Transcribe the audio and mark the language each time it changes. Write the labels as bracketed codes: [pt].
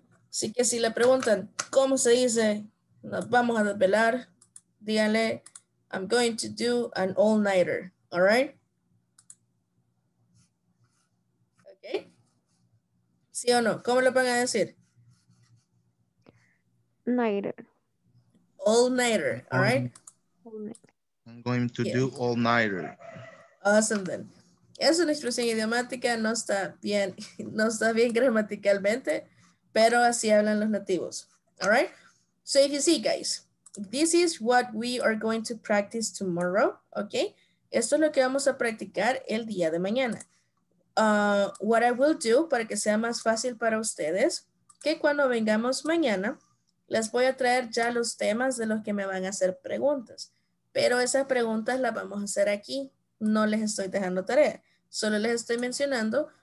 [es] Así que si le preguntan, ¿cómo se dice? Nos vamos a desvelar. Díganle, [en] I'm going to do an all-nighter. All right? [es] Okay. ¿Sí o no? ¿Cómo lo van a decir? [en] Nighter. All-nighter. All right? I'm going to do all-nighter. Awesome then. [es] Es una expresión idiomática. No está bien. No está bien gramaticalmente. Pero así hablan los nativos. [en] All right? So if you see, guys, this is what we are going to practice tomorrow, okay? [es] Esto es lo que vamos a practicar el día de mañana. [en] What I will do, [es] para que sea más fácil para ustedes, que cuando vengamos mañana, les voy a traer ya los temas de los que me van a hacer preguntas. Pero esas preguntas las vamos a hacer aquí. No les estoy dejando tarea. Solo les estoy mencionando